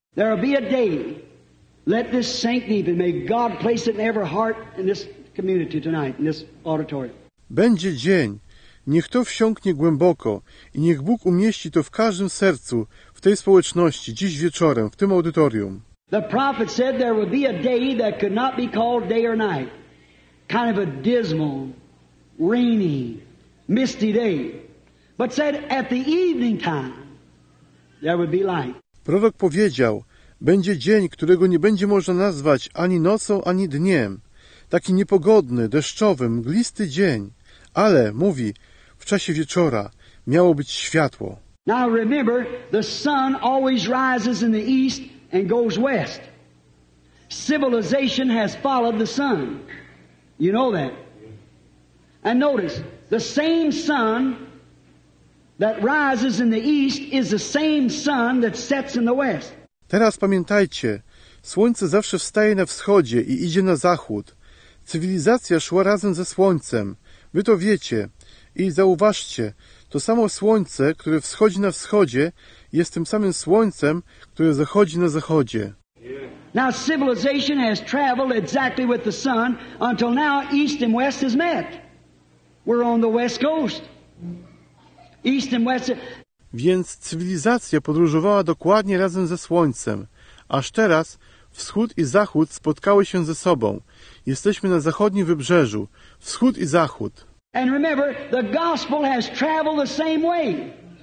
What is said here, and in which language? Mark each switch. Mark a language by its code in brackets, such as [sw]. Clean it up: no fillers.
[en] There will be a day. Let this sink deep and may God place it in every heart in this community tonight, in this auditorium. [pl] Będzie dzień. Niech to wsiąknie głęboko i niech Bóg umieści to w każdym sercu w tej społeczności, dziś wieczorem, w tym audytorium. [en] The prophet said there would be a day that could not be called day or night. Kind of a dismal, rainy, misty day, but said at the evening time there would be light. [pl] Prorok powiedział, będzie dzień, którego nie będzie można nazwać ani nocą, ani dniem. Taki niepogodny, deszczowy, mglisty dzień. Ale, mówi, w czasie wieczora miało być światło. [en] Now remember, the sun always rises in the east and goes west. Civilization has followed the sun. You know that. And notice, the same sun that rises in the east is the same sun that sets in the west. [pl] Teraz pamiętajcie, słońce zawsze wstaje na wschodzie i idzie na zachód. Cywilizacja szła razem ze słońcem. Wy to wiecie. I zauważcie, to samo słońce, które wschodzi na wschodzie, jest tym samym słońcem, które zachodzi na zachodzie. [en] Now civilization has traveled exactly with the sun until now east and west has met. We're on the west coast. East and west. [pl] Więc cywilizacja podróżowała dokładnie razem ze słońcem. Aż teraz wschód i zachód spotkały się ze sobą. Jesteśmy na zachodnim wybrzeżu. Wschód i zachód. [en] And remember, the gospel has traveled the same way.